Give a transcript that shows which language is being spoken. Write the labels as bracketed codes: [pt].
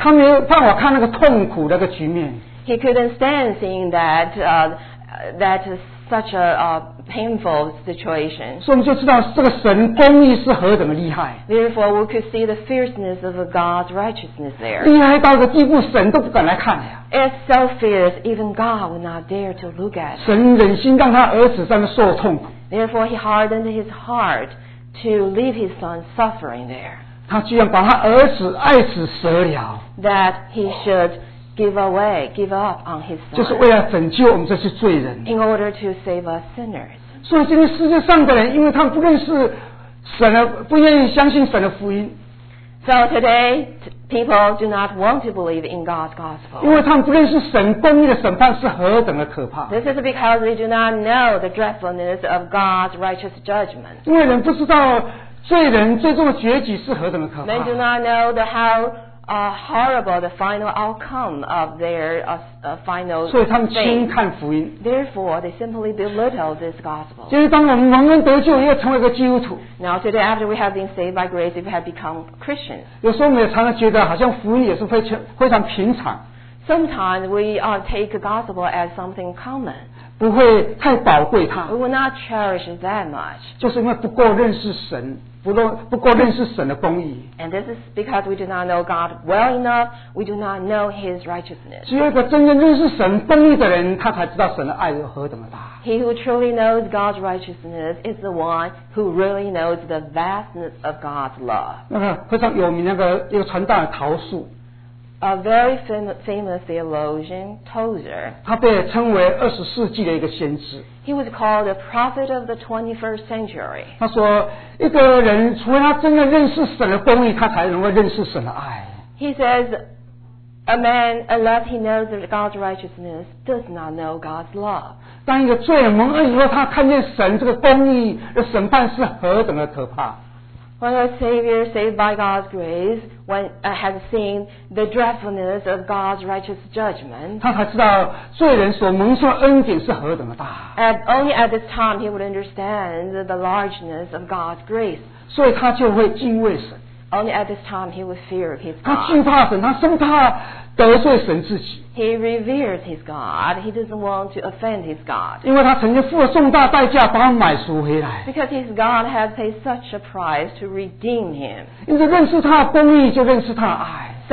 [zh] 他没有办法看那个痛苦那个局面。 [en] He couldn't stand seeing that is such a painful situation. [zh] 所以我们就知道这个神公义是何等的厉害。 [en] Therefore we could see the fierceness of God's righteousness there. [zh] 厉害到个地步神都不敢来看了。 [en] It's so fierce even God would not dare to look at it. [zh] 神忍心让他儿子在那受痛苦。 [en] Therefore, he hardened his heart to leave his son suffering there. [zh] 他居然把他儿子爱子舍了。 [en] That he should give up on his son. [zh] 就是为了拯救我们这些罪人。 [en] In order to save us sinners. [zh] 所以今天世界上的人，因为他们不认识神的，不愿意相信神的福音。 [en] So today, people do not want to believe in God's gospel. [zh] 因为他们不认识神公义的审判是何等的可怕。 [en] This is because they do not know the dreadfulness of God's righteous judgment. [zh] 因为人不知道罪人最终的结局是何等的可怕。 [en] They do not know the how horrible the final outcome of their final. [zh] 所以他们轻看福音。 [en] Therefore, they simply belittle this gospel. [zh] 就是当我们蒙恩得救，又成为一个基督徒。 [en] Now today, after we have been saved by grace, we have become Christians. [zh] 有时候我们也常常觉得，好像福音也是非常平常。 [en] Sometimes we take the gospel as something common. [zh] 不会太宝贵它。 [en] We will not cherish it that much. [zh] 就是因为不够认识神。不过认识神的公义。 [en] And this is because we do not know God well enough. We do not know His righteousness. [zh] 只有一个真正认识神公义的人，他才知道神的爱有何等的大。 [en] He who truly knows God's righteousness is the one who really knows the vastness of God's love. [zh] 那个非常有名那个一个传道人陶恕。 [en] A very famous theologian, Tozer. [zh] 他被称为二十世纪的一个先知。 [en] He was called a prophet of the 21st century. [zh] 他说，一个人除非他真的认识神的公义，他才能够认识神的爱。 [en] He says, a man unless he knows God's righteousness does not know God's love. [zh] 当一个罪人蒙恩以后，他看见神这个公义的审判是何等的可怕。 [en] When a savior saved by God's grace when, has seen the dreadfulness of God's righteous judgment, [zh] 他才知道罪人所蒙受恩典是何等的大。 [en] And only at this time he would understand the largeness of God's grace. [zh] 所以他就会敬畏神。 [en] Only at this time he would fear his God. [zh] 他惧怕神，他生怕得罪神自己。 [en] He reveres his God. He doesn't want to offend his God. [zh] 因为他曾经付了重大代价把他买赎回来。 [en] Because his God has paid such a price to redeem him. [zh] 因此认识他的公义就认识他的爱。